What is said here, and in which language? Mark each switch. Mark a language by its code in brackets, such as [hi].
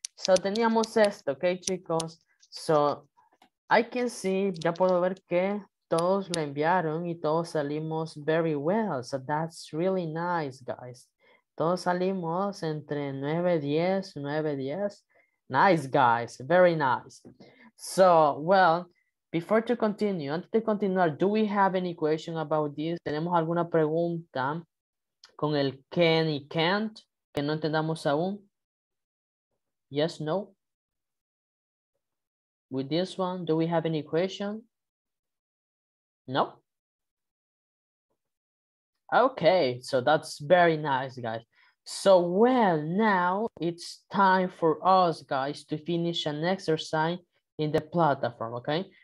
[es] So teníamos esto, okay, chicos? [en] So I can see, [es] ya puedo ver que todos lo enviaron y todos salimos [en] very well. So that's really nice, guys. [es] Todos salimos entre 9, 10. [en] Nice, guys. Very nice. So, well, before to continue, [es] antes de continuar, [en] do we have any question about this? [es] ¿Tenemos alguna pregunta con el can y can't que no entendamos aún? [en] Yes, no? With this one, do we have any question? No? Okay, so that's very nice, guys. So, well, now it's time for us, guys, to finish an exercise in the platform, okay?